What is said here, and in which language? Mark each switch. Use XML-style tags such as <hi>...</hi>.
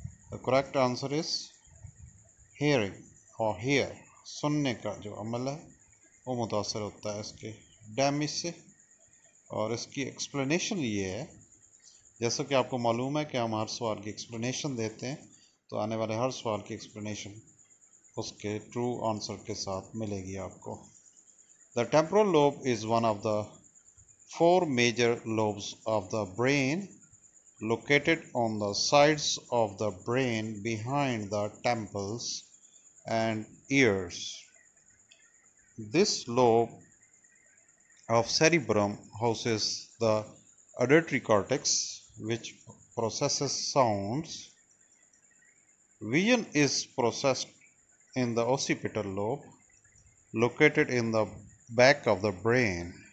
<en>the correct answer is hearing</en> <ur>اور hair, سننے کا جو عمل ہے وہ متاثر ہوتا ہے اس کے ڈیمیج سے. اور اس کی ایکسپلینیشن یہ ہے, جیسا کہ آپ کو معلوم ہے کہ ہم ہر سوال کی ایکسپلینیشن دیتے ہیں, تو آنے والے ہر سوال کی ایکسپلینیشن اس کے ٹرو آنسر کے ساتھ ملے گی آپ کو.</ur> <en>The temporal lobe is one of the four major lobes of the brain located on the sides of the brain behind the temples and ears. This lobe of cerebrum houses the auditory cortex which processes sounds. Vision is processed in the occipital lobe located in the back of the brain.</en>